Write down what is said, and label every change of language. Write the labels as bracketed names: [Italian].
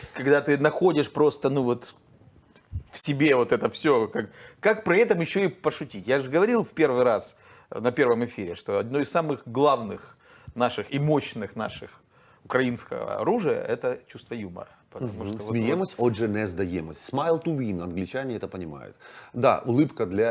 [Russian] Когда ты находишь просто, ну вот, в себе вот это все. Как при этом еще и пошутить? Я же говорил в первый раз на первом эфире, что одно из самых главных наших и мощных наших украинского оружия – это чувство юмора. [Ukrainian] Сміємось, отже, не здаємось. [English] Smile to win, [Russian] англичане это понимают. Да, улыбка для...